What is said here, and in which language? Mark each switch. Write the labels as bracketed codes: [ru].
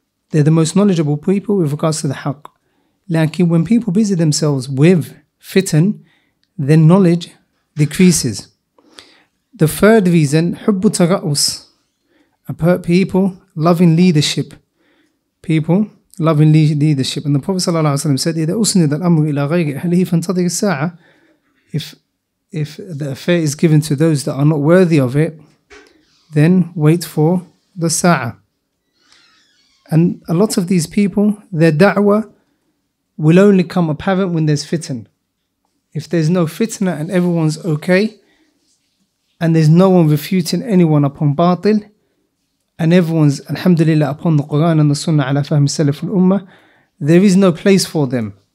[en] They're the most knowledgeable people with regards to the haqq. Lakin when people busy themselves with fitan, then knowledge decreases. The third reason, [ar] حب ترأس. [en] People loving leadership. People loving leadership. And the Prophet ﷺ said, [ar] إذا أسند الأمر إلى غير أهله فانتظر الساعة. [en] If the affair is given to those that are not worthy of it, then wait for the sa'a. And a lot of these people, their da'wah will only come apparent when there's fitna. If there's no fitna and everyone's okay, and there's no one refuting anyone upon batil, and everyone's alhamdulillah upon the Quran and the Sunnah [ar] ala fahm salaf al ummah, [en] there is no place for them.